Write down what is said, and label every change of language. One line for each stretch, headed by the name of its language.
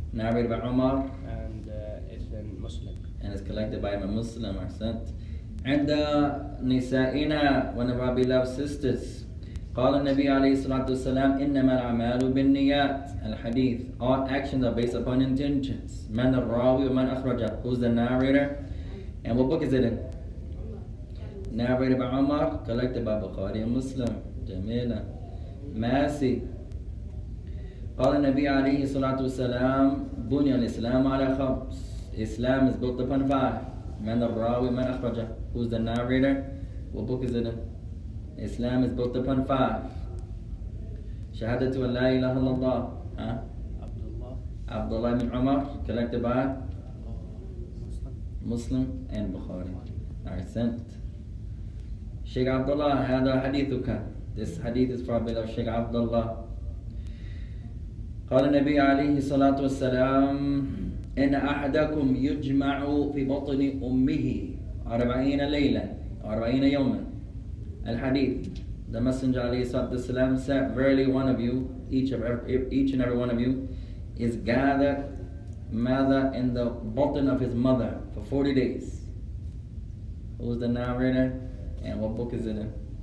English: Narrated by Umar. And it's in Muslim. And it's collected by Imam Muslim, I sent. And Nisa'ina, one of our beloved sisters,
Arabic: قال النبي عليه الصلاة والسلام إنما الأعمال بالنيات الحديث
English: All actions are based upon intentions.
Arabic: من الراوي ومن أخرجه
English: Who's the narrator? And what book is it in? Narrated by Umar, collected by Bukhari and Muslim.
Arabic: جميلة. ماسي. قال النبي عليه الصلاة والسلام بني الإسلام على خمس
English: Islam is built upon five
Arabic: من الراوي من أخرجه
English: Who's the narrator? What book is it in? Islam is built upon five
Arabic: شهادة أن لا إله إلا الله عبد الله
English: بن عمر collected by Muslim and Bukhari. I sent. Sheikh Abdullah,
Arabic: hada hadithuka.
English: This hadith is from Bilal Sheikh Abdullah.
Arabic: قال النبي عليه الصلاة والسلام إن أحدكم يجمع في بطن أمه 40 ليلة 40 يوما الحديث
English: The Messenger
Arabic: عليه الصلاة والسلام
English: said Verily one of you, each and every one of you is gathered mother in the bottom of his mother for 40 days Who's the narrator and what book is it in?